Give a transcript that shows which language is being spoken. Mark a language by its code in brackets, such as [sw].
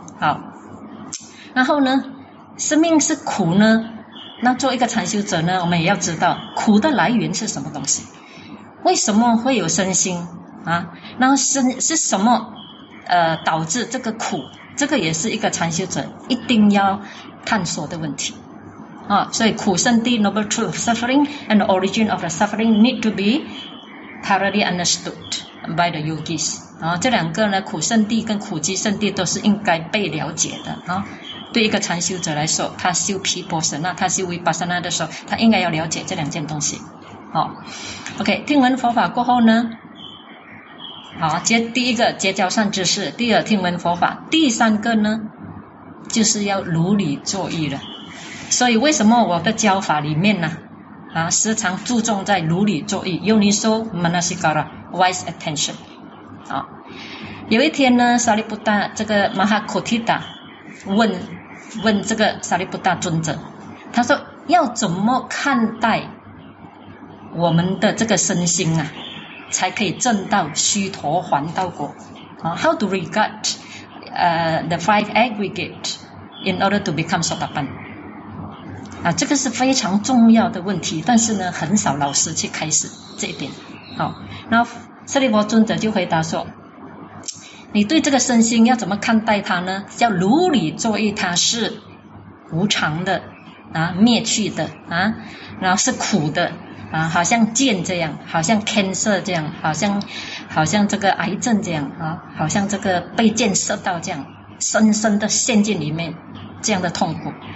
[zh] 好，然后呢，生命是苦呢，那做一个禅修者呢，我们也要知道苦的来源是什么东西，为什么会有身心啊？那是什么导致这个苦？这个也是一个禅修者一定要探索的问题啊。所以苦圣地 [en] noble truth of suffering and the origin of the suffering need to be thoroughly understood by the yogis [zh] 啊。这两个呢，苦圣地跟苦集圣地都是应该被了解的啊。对一个禅修者来说，他修毗婆舍那，他修 vipassana 的时候，他应该要了解这两件东西。好 ，OK， 听闻佛法过后呢，好，第一个结交善知识，第二听闻佛法，第三个呢，就是要如理作义了。所以为什么我的教法里面呢，时常注重在如理作义，用你说 manasikara wise attention。好，有一天呢，萨利布达这个马哈库提达问这个萨利布达尊者，他说要怎么看待我们的这个身心啊，才可以证到虚陀还道果。 [en] How to regard the five aggregates in order to become Sotapanna？ [zh] 这个是非常重要的问题，但是呢，很少老师去开始这一点。那舍利弗尊者就回答说，你对这个身心要怎么看待它呢？要如理作义，它是无常的灭去的然后是苦的好像剑这样，好像 cancer 这样，好像这个癌症这样好像这个被箭射到这样，深深的陷进里面，这样的痛苦。